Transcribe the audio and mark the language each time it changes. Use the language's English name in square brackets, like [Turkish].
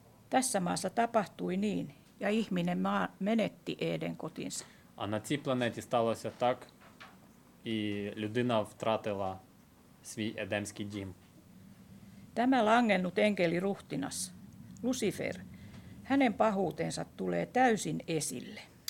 [Finnish] Tässä maassa tapahtui niin, ja ihminen menetti Eden kotinsa. [Ukrainian] А на цій планеті сталося так, і людина втратила свій едемський дім. [Finnish] Tämä langennut enkeli ruhtinas, Lucifer, hänen pahuutensa tulee täysin esille.